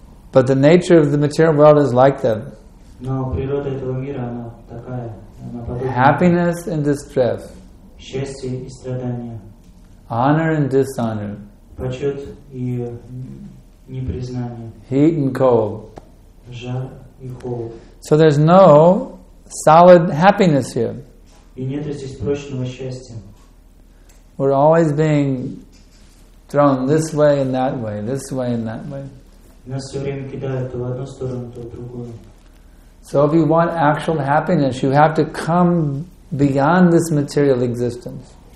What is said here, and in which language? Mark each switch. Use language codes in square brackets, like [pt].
[en] But the nature of the material world is like that. [ru] Но природа этого мира, она такая, она подобна. [en] Happiness and distress. [ru] Счастье и страдания. [en] Honor and dishonor. [ru] Почет и непризнание. [en] Heat and cold. [ru] Жар и холод. [en] So there's no solid happiness here. [ru] И нет здесь прочного счастья. [en] We're always being thrown this way and that way, this way and that way. [ru] Нас все время кидают то в одну сторону, то в другую. [en] So if you want actual happiness, you have to come beyond this material existence.